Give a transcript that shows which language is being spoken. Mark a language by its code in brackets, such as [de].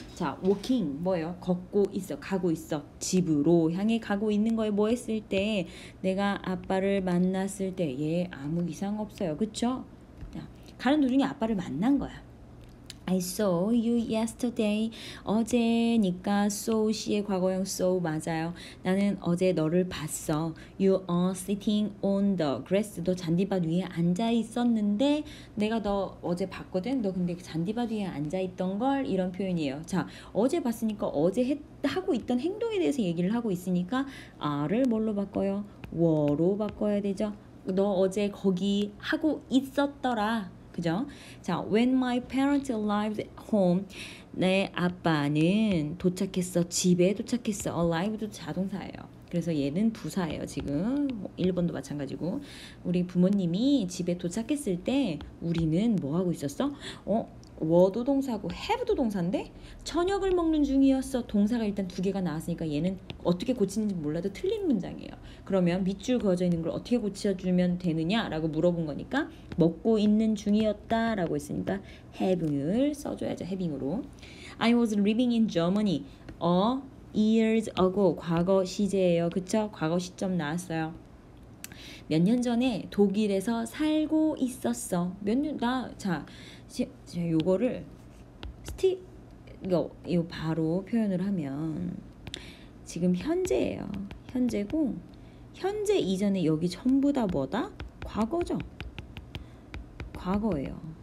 [ko] 자, 워킹 뭐예요? 걷고 있어, 가고 있어, 집으로 향해 가고 있는 거예요. 뭐 했을 때 내가 아빠를 만났을 때얘 아무 이상 없어요, 그쵸? 자, 가는 도중에 아빠를 만난 거야. [en] I saw you yesterday. [ko] 어제니까 saw 시의 과거형 saw 맞아요. 나는 어제 너를 봤어. [en] You are sitting on the grass. [ko] 너 잔디밭 위에 앉아 있었는데 내가 너 어제 봤거든. 너 근데 잔디밭 위에 앉아 있던 걸 이런 표현이에요. 자, 어제 봤으니까 어제 하고 있던 행동에 대해서 얘기를 하고 있으니까 are를 뭘로 바꿔요? were로 바꿔야 되죠. 너 어제 거기 하고 있었더라. 그죠? 자, [en] when my parents arrived home, [ko] 내 아빠는 도착했어. 집에 도착했어. arrived도 자동사예요. 그래서 얘는 부사예요, 지금. 1번도 마찬가지고. 우리 부모님이 집에 도착했을 때 우리는 뭐 하고 있었어? were도 동사고 have도 동사인데 저녁을 먹는 중이었어. 동사가 일단 두 개가 나왔으니까 얘는 어떻게 고치는지 몰라도 틀린 문장이에요. 그러면 밑줄 그어져 있는 걸 어떻게 고쳐주면 되느냐라고 물어본 거니까 먹고 있는 중이었다라고 했으니까 having을 써줘야죠. having으로. [en] I was living in Germany a years ago. [ko] 과거 시제예요, 그쵸? 과거 시점 나왔어요. 몇년 전에 독일에서 살고 있었어. 몇 년, 나, 자, 요거를, 요 바로 표현을 하면, 지금 현재예요. 현재고, 현재 이전에 여기 전부 다 뭐다? 과거죠. 과거예요.